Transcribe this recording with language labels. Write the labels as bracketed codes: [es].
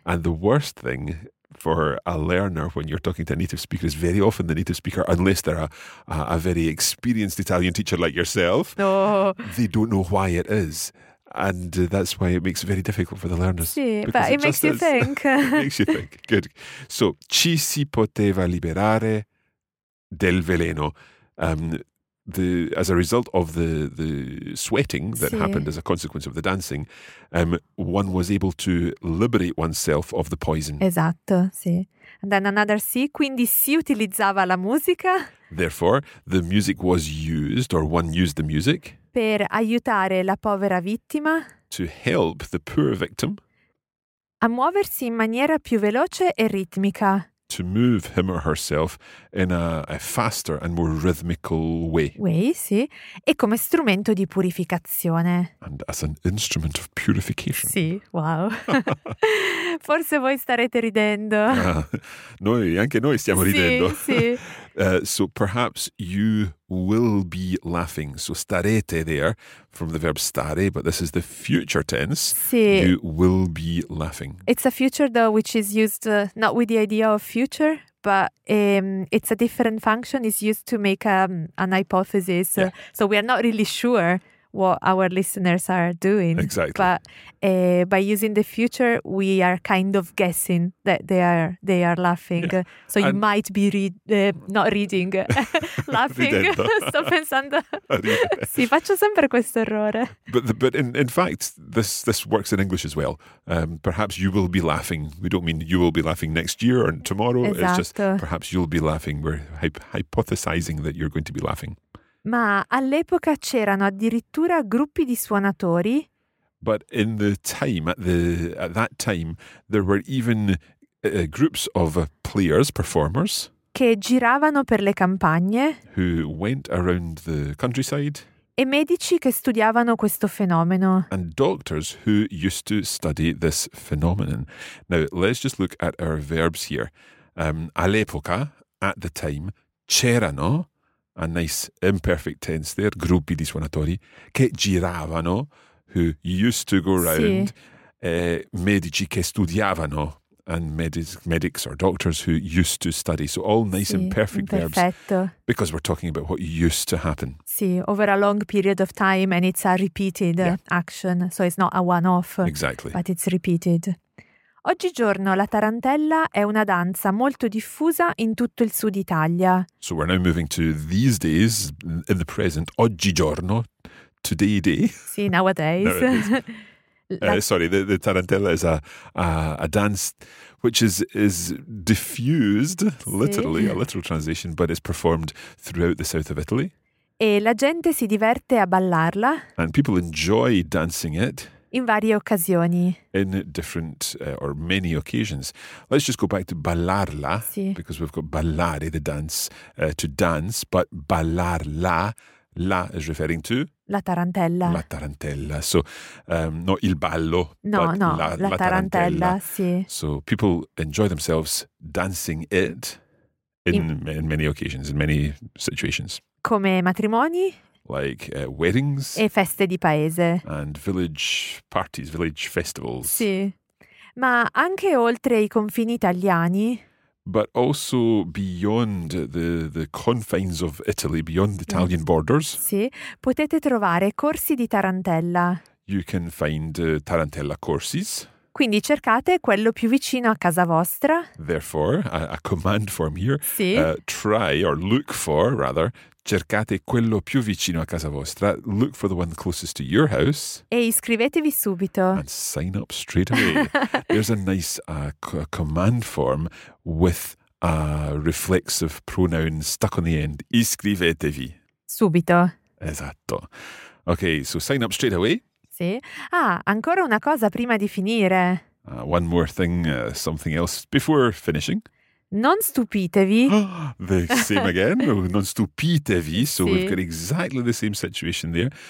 [en] And the worst thing for a learner when you're talking to a native speaker is very often the native speaker, unless they're a very experienced Italian teacher like yourself, they don't know why it is. And that's why it makes it very difficult for the learners. Sì, but it makes you think. It makes you think. Good. [it] So, ci si poteva liberare del veleno. [en] As a result of the sweating that happened as a consequence of the dancing, one was able to liberate oneself of the poison. [it] Esatto, sì. [en] And then another [it] sì, quindi si utilizzava la musica. [en] Therefore, the music was used, or one used the music. [it] Per aiutare la povera vittima. [en] To help the poor victim. [it] A muoversi in maniera più veloce e ritmica. [en] To move him or herself in a faster and more rhythmical way. Way, sì. [it] E come strumento di purificazione. [en] And as an instrument of purification. [it] Sì, wow. Forse voi starete ridendo. Anche noi stiamo ridendo. Sì, sì. [en] So perhaps you will be laughing. So starete there, from the verb stare, but this is the future tense. [it] Sì. [en] You will be laughing. It's a future, though, which is used not with the idea of future, but it's a different function. It's used to make an hypothesis. Yeah. So we are not really sure what our listeners are doing. Exactly. But by using the future, we are kind of guessing that they are laughing. Yeah. So you might be not reading, laughing. [it] Sto pensando. Sì, faccio sempre questo errore. [en] But in fact, this works in English as well. Perhaps you will be laughing. We don't mean you will be laughing next year or tomorrow. [it] Esatto. [en] It's just perhaps you'll be laughing. We're hypothesizing that you're going to be laughing. [it] Ma all'epoca c'erano addirittura gruppi di suonatori. [en] But in the time, at that time, there were even groups of players, performers. [it] Che giravano per le campagne. [en] Who went around the countryside. [it] E medici che studiavano questo fenomeno. [en] And doctors who used to study this phenomenon. Now, let's just look at our verbs here. All'epoca, at the time, c'erano. A nice imperfect tense there, gruppi di suonatori, che giravano, who used to go around, medici che studiavano, and medics or doctors who used to study. So all nice imperfect verbs. Perfetto. Because we're talking about what used to happen. Sì, over a long period of time, and it's a repeated action, so it's not a one-off. Exactly. But it's repeated. [it] Oggigiorno la tarantella è una danza molto diffusa in tutto il sud Italia. [en] So we're now moving to these days, in the present, oggigiorno, today day. Sì, nowadays. The tarantella is a dance which is diffused, sì. Literally, a literal translation, but it's performed throughout the south of Italy. [it] E la gente si diverte a ballarla. [en] And people enjoy dancing it. [it] In varie occasioni. [en] In different or many occasions. Let's just go back to ballarla, [it] sì. [en] Because we've got ballare, the dance, to dance, but ballarla, la is referring to? [it] La tarantella. [en] La tarantella. So, not [it] il ballo, [en] no, but no, [it] la tarantella. Tarantella. Sì. [en] So people enjoy themselves dancing it in many occasions, in many situations. [it] Come matrimoni. [en] Like weddings. [it] E feste di paese. [en] And village parties, village festivals. [it] Sì. Ma anche oltre i confini italiani. [en] But also beyond the confines of Italy, beyond the Italian borders. [it] Sì. Potete trovare corsi di tarantella. [en] You can find tarantella courses. [it] Quindi cercate quello più vicino a casa vostra. [en] Therefore, a command form here. [it] Sì. [en] Try or look for, rather. [it] Cercate quello più vicino a casa vostra. [en] Look for the one closest to your house. [it] E iscrivetevi subito. [en] And sign up straight away. There's a nice command form with a reflexive pronoun stuck on the end. [it] Iscrivetevi. Subito. Esatto. [en] Okay, so sign up straight away. [it] Sì. Ah, ancora una cosa prima di finire. [en] One more thing, something else before finishing. [it] Non stupitevi. [en] The same again. Non stupitevi. So [it] sì. [en] We've got exactly the same situation there.